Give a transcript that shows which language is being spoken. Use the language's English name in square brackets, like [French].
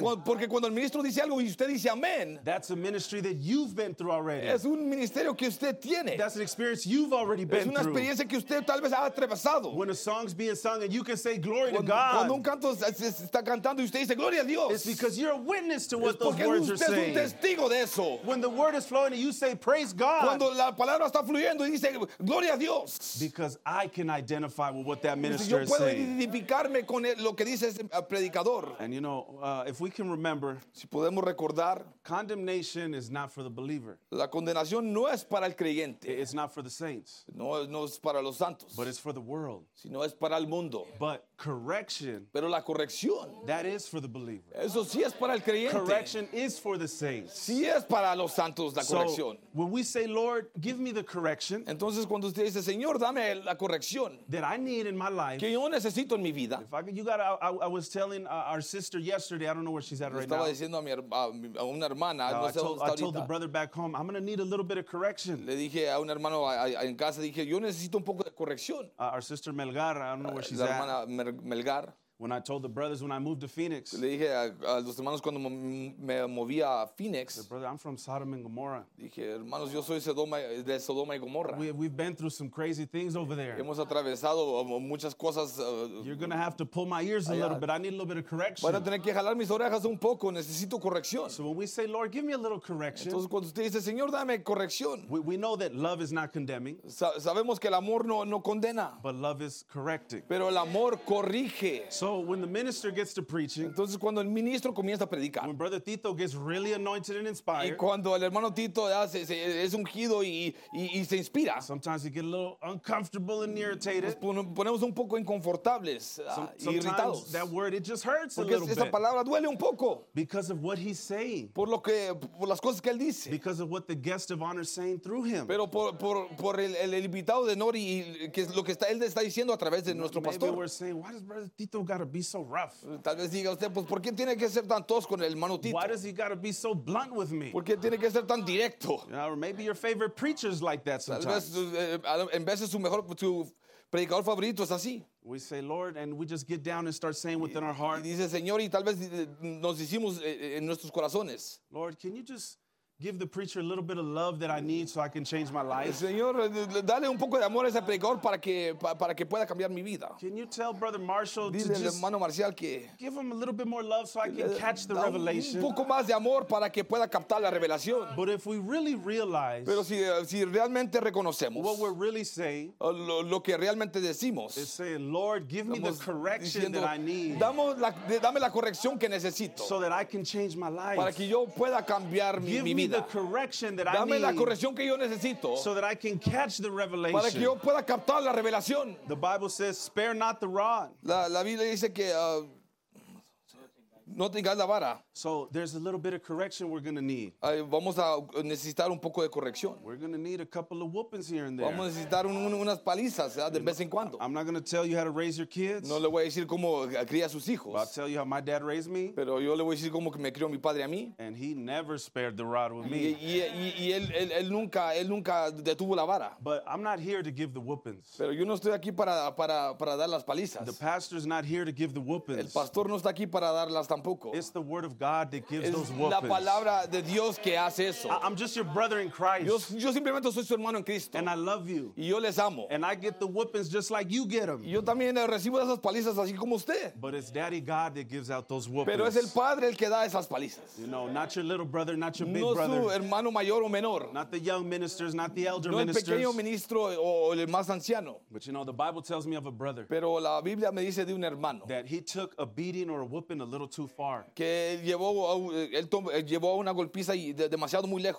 [Spanish] Porque cuando el ministro dice algo y usted dice amén. [English] That's a ministry that you've been through already. [Spanish] Es un ministerio que usted tiene. [English] That's an experience you've already been through. [Spanish] Es una experiencia que usted tal vez ha atravesado. [English] When a song's being sung and you can say glory to God. [Spanish] Cuando un canto se está cantando y usted dice gloria a Dios. [English] It's because you're a witness to what those words are saying. [Spanish] Porque usted es un testigo de eso. [English] When the word is flowing and you say praise God. [Spanish] Cuando la palabra está fluyendo y dice gloria a Dios. [English] Because I can identify with what that minister is saying. [Spanish] Yo puedo identificarme con lo que dice ese predicador. [English] And you know, if we can remember, [Spanish] si podemos recordar, [English] condemnation is not for the believer. [Spanish] La condenación no es para el creyente. [English] It's not for the saints. [Spanish] No es para los santos. [English] But it's for the world. [Spanish] Si no es para el mundo. [English] But correction. [Spanish] Pero la corrección. [English] That is for the believer. [Spanish] Eso sí es para el creyente. [English] Correction is for the saints. [Spanish] Sí es para los santos la corrección. [English] So when we say, Lord, give me the correction. [Spanish] Entonces cuando usted dice, Señor, dame la corrección. [English] That I need in my life. [Spanish] Que yo necesito en mi vida. [English] If I could, you got, I was telling our sister yesterday. I don't know where she's at right now. [Spanish] Estaba diciendo a una hermana. No, no sé [English] I told the brother back home, I'm going to need a little bit of correction. [Spanish] Le dije a un hermano en casa, dije, yo necesito un poco de corrección. [English] Our sister Melgar, I don't know where she's [Spanish] la hermana [English] at. [Spanish] Melgar. [English] When I told the brothers when I moved to Phoenix. [Spanish] Le dije a los hermanos cuando me moví a Phoenix. [English] Brother, I'm from Sodom and Gomorrah. [Spanish] Dije, hermanos, yo soy de Sodoma y Gomorra. [English] We've been through some crazy things over there. [Spanish] Hemos atravesado muchas cosas. [English] You're going to have to pull my ears a little bit. I need a little bit of correction. [Spanish] Voy a tener que jalar mis orejas un poco. Necesito corrección. [English] So when we say, Lord, give me a little correction. [Spanish] Entonces cuando usted dice, Señor, dame corrección. [English] We know that love is not condemning. [Spanish] Sabemos que el amor no condena. [English] But love is correcting. [Spanish] Pero el amor corrige. [English] So when the minister gets to preaching, [Spanish] entonces cuando el ministro comienza a predicar, [English] when Brother Tito gets really anointed and inspired, [Spanish] y cuando el hermano Tito es ungido y se inspira, [English] sometimes we get a little uncomfortable and irritated. [Spanish] Ponemos un poco inconfortables, irritados. [English] That word, it just hurts [Spanish] porque [English] a little [Spanish] esa [English] bit. [Spanish] Palabra duele un poco. [English] Because of what he's saying. [Spanish] Por las cosas que él dice. [English] Because of what the guest of honor is saying through him. [Spanish] Pero por el invitado de honor y que es lo que está, él está diciendo a través de nuestro [English] maybe [Spanish] pastor. [English] Maybe we're saying, why does Brother Tito gotta be so rough? [Spanish] Tal vez diga usted, pues, ¿por qué tiene que ser tan tosco con el hermano Tito? [English] Why does he gotta be so blunt with me? [Spanish] ¿Por qué tiene que ser tan directo? [English] Or maybe your favorite preacher's like that sometimes. [Spanish] En veces su mejor tu predicador favorito es así. [English] We say, Lord, and we just get down and start saying within our heart. [Spanish] Dice Señor y tal vez nos decimos en nuestros corazones. [English] Lord, can you just give the preacher a little bit of love that I need so I can change my life. [Spanish] Señor, dale un poco de amor a ese predicador para que pueda cambiar mi vida. [English] Can you tell Brother Marshall to just [Spanish] hermano Marcial que [English] give him a little bit more love so I can catch the revelation. [Spanish] Un poco más de amor para que pueda captar la revelación. [English] But if we really realize, [Spanish] pero si realmente reconocemos [English] what we're really saying, [Spanish] lo que realmente decimos, [English] is saying, Lord, give me the correction that I need. [Spanish] Dame la corrección que necesito. [English] So that I can change my life. [Spanish] Para que yo pueda cambiar mi vida. [English] The correction that [Spanish] dame [English] I need [Spanish] la corrección que yo necesito [English] so that I can catch the revelation. [Spanish] Para que yo pueda captar la revelación. [English] The Bible says, spare not the rod. [Spanish] La Biblia dice que no tengas la vara. [English] So there's a little bit of correction we're going to need. [Spanish] Vamos a necesitar un poco de corrección. [English] We're going to need a couple of whoopings here and there. [Spanish] Vamos a necesitar unas palizas de vez en cuando. [English] I'm not going to tell you how to raise your kids. [Spanish] No le voy a decir cómo cría a sus hijos. [English] But I'll tell you how my dad raised me. [Spanish] Pero yo le voy a decir cómo me crió mi padre a mí. [English] And he never spared the rod with me. [Spanish] Y él nunca detuvo la vara. [English] But I'm not here to give the whoopings. [Spanish] Pero yo no estoy aquí para dar las palizas. [English] The pastor's not here to give the whoopings. [Spanish] El pastor no está aquí para darlas tampoco. [English] It's the word of God that gives [Spanish] es [English] those weapons. [Spanish] La palabra de Dios que hace eso. [English] I'm just your brother in Christ. [Spanish] Yo simplemente soy su hermano en Cristo. [English] And I love you. [Spanish] Y yo les amo. [English] And I get the whoopings just like you get them. [Spanish] Y yo también recibo esas palizas así como usted. [English] But it's Daddy God that gives out those whoopings. [Spanish] Pero es el Padre el que da esas palizas. [English] You know, not your little brother, not your big [Spanish] no [English] brother. [Spanish] No su hermano mayor o menor. [English] Not the young ministers, not the elder [Spanish] no [English] ministers. [Spanish] No el pequeño ministro o el más anciano. [English] But you know, the Bible tells me of a brother. [Spanish] Pero la Biblia me dice de un hermano. [English] That he took a beating or a whooping a little too far. [Spanish] Que llevó una golpiza demasiado muy lejos.